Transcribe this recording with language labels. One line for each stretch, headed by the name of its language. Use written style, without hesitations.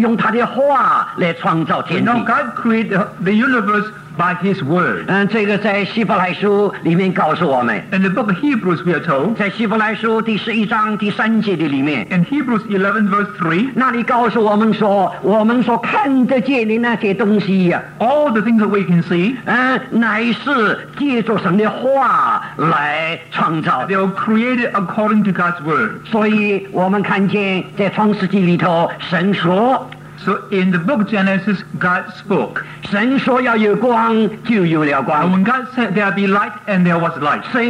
Chinese: 我们知道神他是用他的话来创造天地,
English: we know God created the universe by his word.
Chinese: 这个在希伯来书里面告诉我们,
English: in the book of Hebrews we are told,
Chinese: 在希伯来书第11章第3节的里面,
English: in Hebrews 11 verse 3,
Chinese: 那里告诉我们说, 我们所看得见的那些东西,
English: all the things that we can see,
Chinese: 乃是借着神的话来创造,
English: they were created according to God's word.
Chinese: 所以我们看见在创世纪里头, 神说,
English: so in the book of Genesis, God spoke.
Chinese: 神说要有光就有了光,
English: and when God said there be light, and there was light.